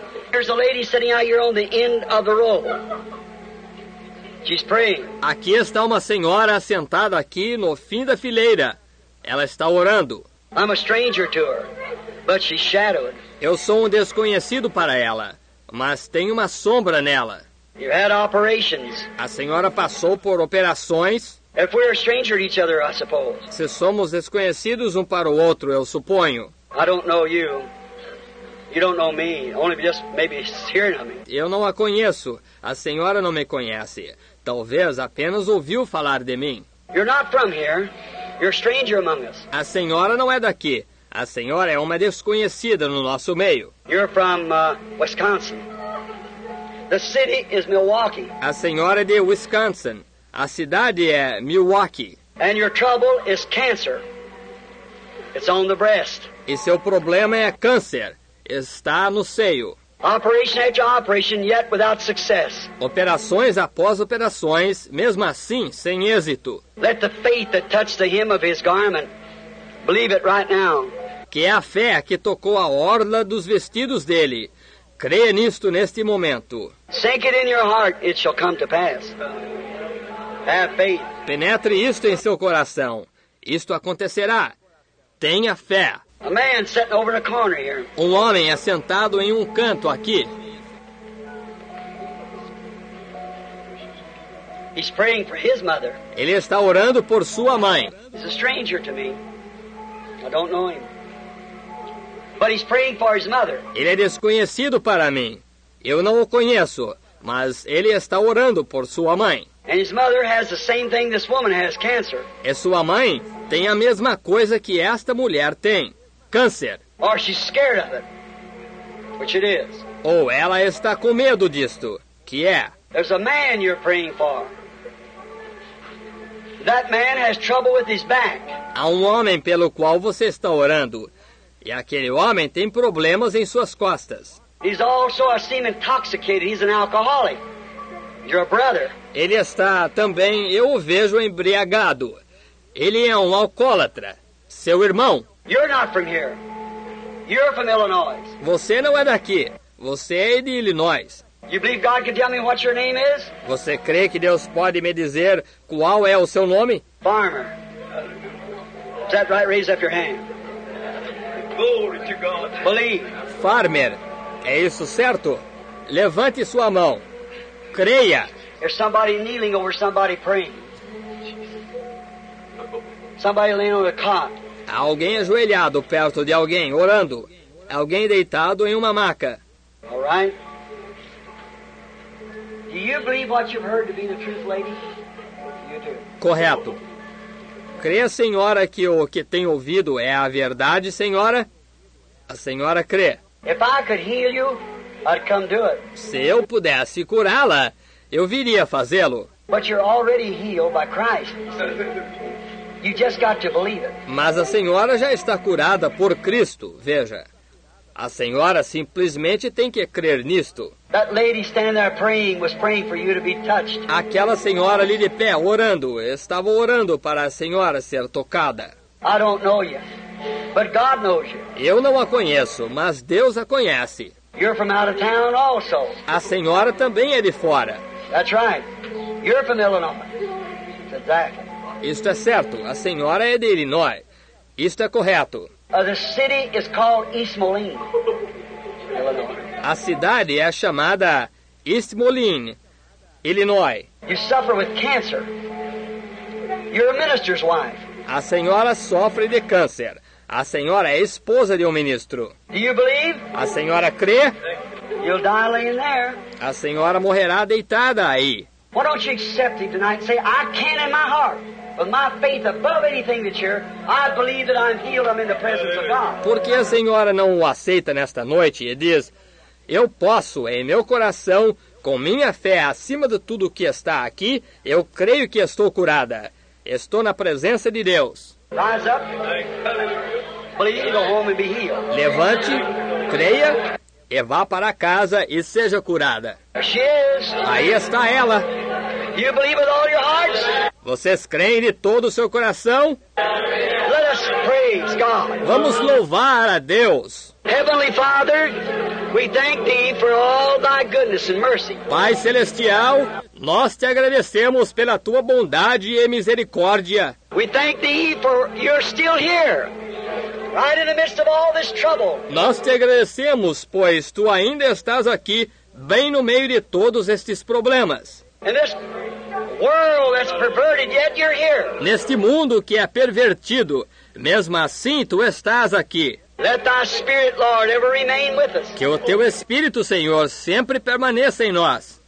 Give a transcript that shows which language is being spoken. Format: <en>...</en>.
<en>There's a lady sitting out here on the end of the row. She's praying.</en> <pt>Aqui está uma senhora sentada aqui no fim da fileira. Ela está orando.</pt> <en>I'm a stranger to her, but she's shadowed.</en> <pt>Eu sou um desconhecido para ela, mas tem uma sombra nela.</pt> <en>You had operations.</en> <pt>A senhora passou por operações.</pt> <en>If we're a stranger to each other, I suppose.</en> <pt>Se somos desconhecidos um para o outro, eu suponho.</pt> <en>I don't know you. You don't know me. Only just maybe hearing of me.</en> <pt>Eu não a conheço. A senhora não me conhece. Talvez apenas ouviu falar de mim.</pt> <en>You're not from here. You're a stranger among us.</en> <pt>A senhora não é daqui. A senhora é uma desconhecida no nosso meio.</pt> <en>You're from Wisconsin. The city is Milwaukee.</en> <pt>A senhora é de Wisconsin. A cidade é Milwaukee.</pt> <en>And your trouble is cancer. It's on the breast.</en> <pt>E seu problema é câncer. Está no seio.</pt> <en>Operation after operation, yet without success.</en> <pt>Operações após operações, mesmo assim, sem êxito.</pt> <en>Let the faith that touched the hem of his garment believe it right now.</en> <pt>Que é a fé que tocou a orla dos vestidos dele. Creia nisto neste momento.</pt> <en>Sink it in your heart, it shall come to pass. Have faith.</en> <pt>Penetre isto em seu coração. Isto acontecerá. Tenha fé.</pt> <en>A man sitting over the corner here.</en> <pt>Um homem é sentado em um canto aqui.</pt> <en>He's praying for his mother.</en> <pt>Ele está orando por sua mãe.</pt> <en>He's a stranger to me. I don't know him. But he's praying for his mother.</en> <pt>Ele é desconhecido para mim. Eu não o conheço, mas ele está orando por sua mãe.</pt> <en>And his mother has the same thing this woman has, cancer.</en> <pt>E sua mãe tem a mesma coisa que esta mulher tem. Câncer.</pt> <en>Or she's scared of it, which it is.</en> <pt>Ou ela está com medo disto, que é.</pt> <en>There's a man you're praying for. That man has trouble with his back.</en> <pt>Há um homem pelo qual você está orando. E aquele homem tem problemas em suas costas.</pt> <en>He's also, I seem intoxicated. He's an alcoholic. Your brother.</en> <pt>Ele está também, eu o vejo embriagado. Ele é um alcoólatra. Seu irmão.</pt> <en>You're not from here. You're from Illinois.</en> <pt>Você não é daqui. Você é de Illinois.</pt> <en>You believe God can tell me what your name is?</en> <pt>Você crê que Deus pode me dizer qual é o seu nome?</pt> <en>Farmer. Is that right? Raise up your hand. Glory to God. Believe.</en> <pt>Farmer. É isso certo? Levante sua mão. Creia.</pt> <en>There's somebody kneeling over somebody praying. Somebody laying on the cot.</en> <pt>Há alguém ajoelhado perto de alguém, orando. Alguém deitado em uma maca.</pt> <en>All right. Do you believe what you've heard to be the truth, lady? You do.</en> <pt>Correto. Crê, senhora, que o que tem ouvido é a verdade, senhora? A senhora crê.</pt> <en>If I could heal you, I'd come do it.</en> <pt>Se eu pudesse curá-la, eu viria fazê-lo.</pt> <en>But you're already healed by Christ. You just got to believe it.</en> <pt>Mas a senhora já está curada por Cristo, veja. A senhora simplesmente tem que crer nisto.</pt> <en>That lady standing there praying was praying for you to be touched.</en> <pt>Aquela senhora ali de pé, orando, estava orando para a senhora ser tocada.</pt> <en>I don't know you, but God knows you.</en> <pt>Eu não a conheço, mas Deus a conhece.</pt> <en>You're from out of town also.</en> <pt>A senhora também é de fora.</pt> <en>That's right. You're from Illinois. That's exactly.</en> <pt>Isto é certo. A senhora é de Illinois. Isto é correto.</pt> <en>The city is called East Moline, Illinois.</en> <pt>A cidade é chamada East Moline, Illinois.</pt> <en>You suffer with cancer. You're a minister's wife.</en> <pt>A senhora sofre de câncer. A senhora é esposa de um ministro.</pt> <en>Do you believe?</en> <pt>A senhora crê?</pt> <en>You'll die laying there.</en> <pt>A senhora morrerá deitada aí.</pt> <en>Why don't you accept it tonight and say, I can in my heart. With my faith above anything that's here, I believe that I'm healed, I'm in the presence of God.</en> <pt>Por que a senhora não o aceita nesta noite e diz, eu posso, em meu coração, com minha fé acima de tudo que está aqui, eu creio que estou curada. Estou na presença de Deus.</pt> <en>Rise up. Believe the woman be healed.</en> <pt>Levante, creia e vá para casa e seja curada.</pt> <en>There she is.</en> <pt>Aí está ela.</pt> <en>You believe with all your hearts?</en> <pt>Vocês creem de todo o seu coração?</pt> <en>Let us praise God.</en> <pt>Vamos louvar a Deus.</pt> <en>Heavenly Father, we thank thee for all thy goodness and mercy.</en> <pt>Pai Celestial, nós te agradecemos pela tua bondade e misericórdia.</pt> <en>We thank thee for you're still here. Right in the midst of all this trouble.</en> <pt>Nós te agradecemos, pois tu ainda estás aqui, bem no meio de todos estes problemas.</pt> <en>In this world that's perverted, yet you're here.</en> <pt>Neste mundo que é pervertido, mesmo assim tu estás aqui.</pt> <en>Let thy spirit, Lord, ever remain with us.</en> <pt>Que o teu Espírito, Senhor, sempre permaneça em nós.</pt>